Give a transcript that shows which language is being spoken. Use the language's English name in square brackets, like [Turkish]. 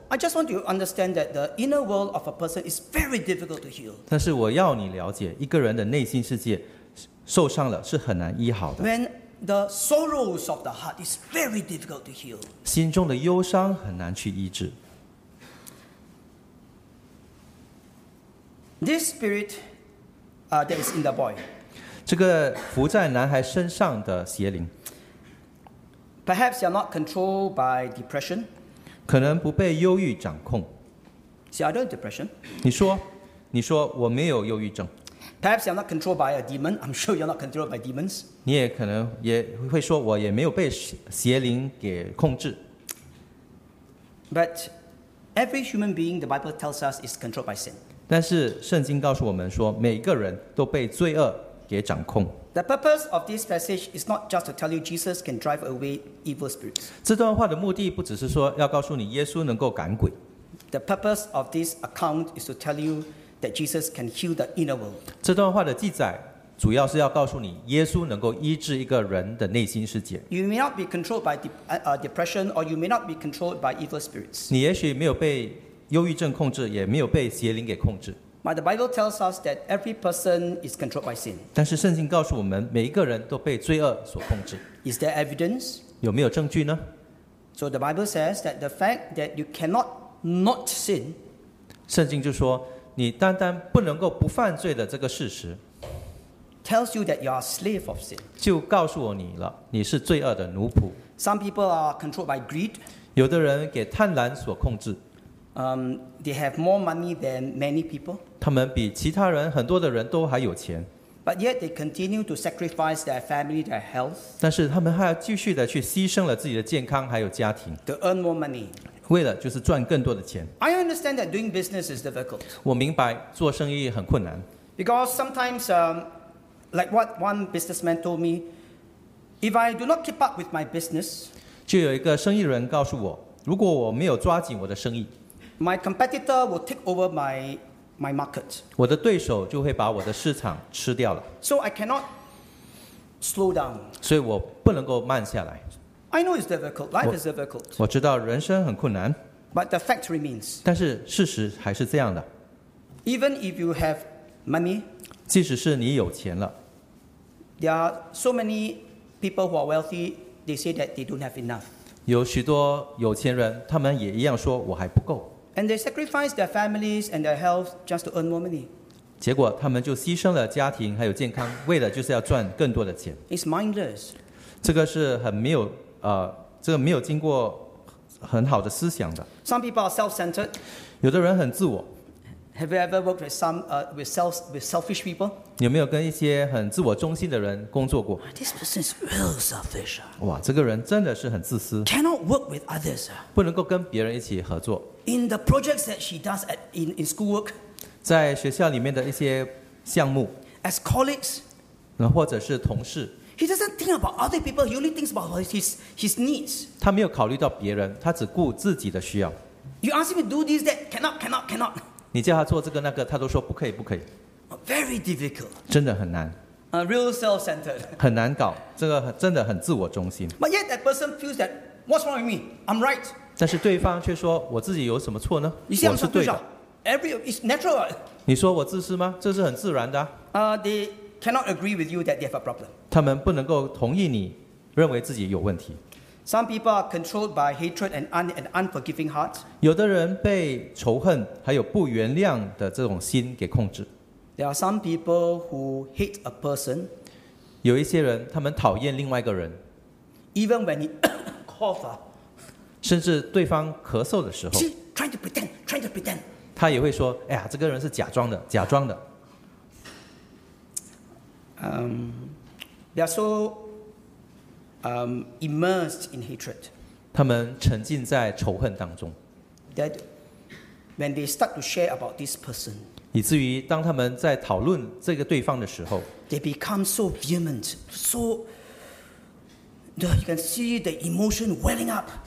[English] I just want you to understand that the inner world of a person is very difficult to heal. [Chinese] 但是我要你了解，一个人的内心世界受伤了是很难医好的。 [English] When the sorrows of the heart is very difficult to heal. [Chinese] 心中的忧伤很难去医治。 [English] This spirit, that is in the boy. [Chinese] 这个伏在男孩身上的邪灵。 [English] Perhaps you're not controlled by depression. [Chinese] 可能不被忧郁掌控。 [English] See, I don't have depression. [Chinese] 你说，我没有忧郁症。 [English] Perhaps you're not controlled by a demon. I'm sure you're not controlled by demons. [Chinese] 你也可能也会说我也没有被邪灵给控制。 [English] But every human being, the Bible tells us, is controlled by sin. [Chinese] 但是圣经告诉我们说，每个人都被罪恶给掌控。 [English] The purpose of this passage is not just to tell you Jesus can drive away evil spirits. [Chinese] 这段话的目的不只是说要告诉你耶稣能够赶鬼。 [English] The purpose of this account is to tell you that Jesus can heal the inner world. [Chinese] 这段话的记载主要是要告诉你耶稣能够医治一个人的内心世界。 [English] You may not be controlled by depression or you may not be controlled by evil spirits. [Chinese] 你也许没有被忧郁症控制，也没有被邪灵给控制。 [English] But the Bible tells us that every person is controlled by sin. [Chinese] 但是圣经告诉我们每一个人都被罪恶所控制。 [English] Is there evidence? [Chinese] 有没有证据呢？ [English] So the Bible says that the fact that you cannot not sin, [Chinese] 圣经就说你单单不能够不犯罪的这个事实 [English] tells you that you are a slave of sin. [Chinese] 就告诉你了，你是罪恶的奴仆。 [English] Some people are controlled by greed. [Chinese] 有的人给贪婪所控制。 [English] They have more money than many people. [Chinese] 他们比其他人很多的人都还有钱。 [English] But yet they continue to sacrifice their family, their health. [Chinese] 但是他们还要继续的去牺牲了自己的健康还有家庭。 [English] To earn more money. [Chinese] 为了就是赚更多的钱。 [English] I understand that doing business is difficult. [Chinese] 我明白做生意很困难。 [English] Because sometimes, like what one businessman told me, if I do not keep up with my business, [Chinese] 就有一个生意人告诉我，如果我没有抓紧我的生意 [English] ，my competitor will take over my market. [Chinese] 我的对手就会把我的市场吃掉了。 [English] So I cannot slow down. [Chinese] 所以我不能够慢下来。 [English] I know it's difficult. Life is difficult. [Chinese] 我知道人生很困难。 [English] But the fact remains. [Chinese] 但是事实还是这样的。 [English] Even if you have money, [Chinese] 即使是你有钱了。 [English] There are so many people who are wealthy. They say that they don't have enough. [Chinese] 有许多有钱人，他们也一样说我还不够。 [English] And they sacrifice their families and their health just to earn more money. [Chinese] 结果他们就牺牲了家庭还有健康，为的就是要赚更多的钱。 [English] It's mindless. [Chinese] 这个是很没有。这个没有经过很好的思想的。 [English] Some people are self-centered. [Chinese] 有的人很自我。 [English] Have you ever worked with with selfish people? [Chinese] 有没有跟一些很自我中心的人工作过？ [English] This person is real selfish. [Chinese] 哇，这个人真的是很自私。 [English] Cannot work with others. [Chinese] 不能够跟别人一起合作。 [English] In the projects that she does in schoolwork. [Chinese] 在学校里面的一些项目。 [English] As colleagues. [Chinese] 那或者是同事。 [English] He doesn't think about other people. He only thinks about his needs. [Chinese] 他没有考虑到别人，他只顾自己的需要。 [English] You ask him to do this, that, cannot. [Chinese] 你叫他做这个那个，他都说不可以。 [English] Very difficult. [Chinese] 真的很难。 [English] Real self-centered. [Chinese] 很难搞，这个真的很自我中心。 [English] But yet that person feels that what's wrong with me? I'm right. [Chinese] 但是对方却说我自己有什么错呢？你现在我是对的。 [English] It's natural. [Chinese] 你说我自私吗？这是很自然的。 [English] They cannot agree with you that they have a problem. [Chinese] 他们不能够同意你认为自己有问题。 [English] Some people are controlled by hatred and an unforgiving heart. [Chinese] 有的人被仇恨还有不原谅的这种心给控制。 [English] There are some people who hate a person. [Chinese] 有一些人他们讨厌另外一个人。 [English] Even when he coughs up. [Chinese] 甚至对方咳嗽的时候。 [English] Trying to pretend. [Chinese] 他也会说哎呀这个人是假装的。 [English] They are so immersed in hatred. [Chinese] 他们沉浸在仇恨当中。 [English] That when they start to share about this person, [Chinese] 以至于当他们在讨论这个对方的时候 [English] ，they become so vehement, so you can see the emotion welling up.